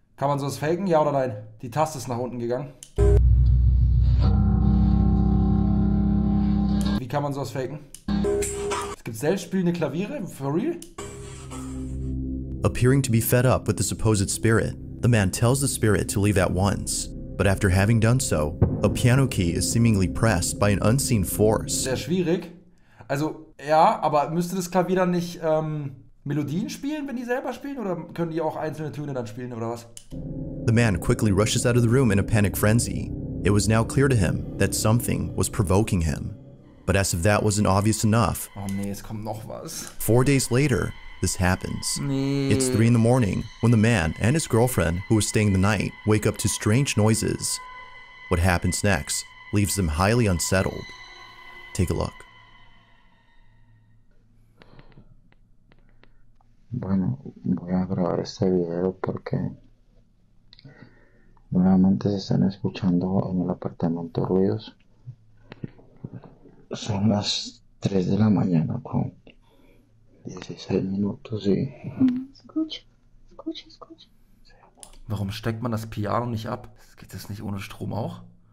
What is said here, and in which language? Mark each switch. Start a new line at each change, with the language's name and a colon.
German: Kann man sowas faken, ja oder nein? Die Taste ist nach unten gegangen. Wie kann man sowas faken? Es gibt selbstspielende Klaviere,
English: for real? Appearing to be fed up with the supposed spirit, the man tells the spirit to leave at once. But after having done so, a piano key is seemingly pressed by an unseen force.
German: Sehr schwierig. Also, ja, aber müsste das Klavier dann nicht Melodien spielen, wenn die selber spielen? Oder können die auch einzelne Töne dann spielen, oder was?
English: The man quickly rushes out of the room in a panic frenzy. It was now clear to him that something was provoking him. But as if that wasn't obvious enough,
German: oh nee, es kommt noch was.
English: 4 days later, this happens.
German: Nee.
English: It's 3 in the morning when the man and his girlfriend, who was staying the night, wake up to strange noises. What happens next leaves them highly unsettled. Take a look.
Spanish: Bueno, voy a grabar este video porque nuevamente se están escuchando en el apartamento ruidos. Son las 3 de la mañana con 16 minutos y... Escucha.
German: Warum steckt man das Piano nicht ab? Geht das nicht ohne Strom auch?